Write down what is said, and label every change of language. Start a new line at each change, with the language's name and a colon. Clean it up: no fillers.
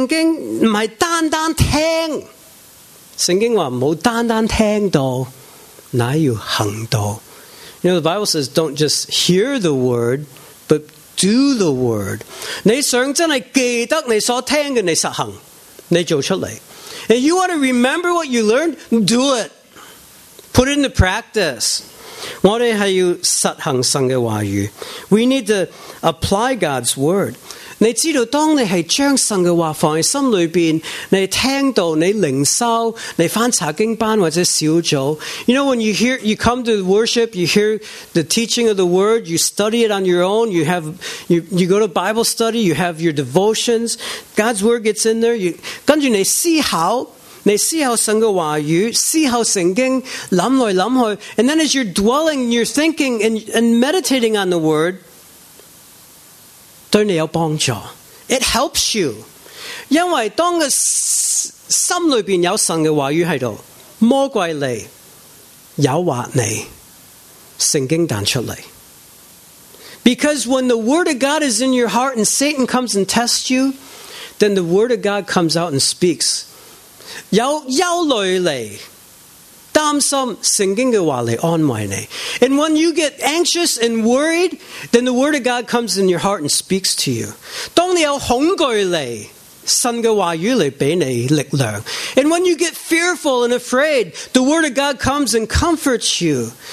Chinese: 要看圣经不是单单听, 圣经说不要单单听到, 乃要行道.
English: The Bible says don't just hear the word, but do the word.
Chinese: 你想真的记得你所听的你实行, 你做出来.
English: And you want to remember what you learned? Do it. Put it into practice.
Chinese: 我们是要实行神的话语.
English: We need to apply God's word.
Chinese: 你知道当你是将神的话放在心里边, 你听到你灵修, 你翻查经班或者小组,
English: you know, when you hear, you come to worship, you hear the teaching of the word, you study it on your own, you go to Bible study, you have your devotions, God's word gets in there, you
Chinese: 跟着你思考, 你思考神的话语, 思考圣经, 想来想去,
English: and then as you're dwelling, you're thinking and meditating on the word,
Chinese: 对你有帮助.
English: It helps you.
Chinese: 因为当心里面有神的话语在, 魔鬼来, 诱惑你, 圣经弹出来.
English: Because when the word of God is in your heart and Satan comes and tests you, then the word of God comes out and speaks.
Chinese: 有忧虑来, 担心圣经的话来安慰你.
English: And when you get anxious and worried, then the word of God comes in your heart and speaks to you.
Chinese: 当你有恐惧来, 神的话语来给你力量.
English: And when you get fearful and afraid, the word of God comes and comforts you.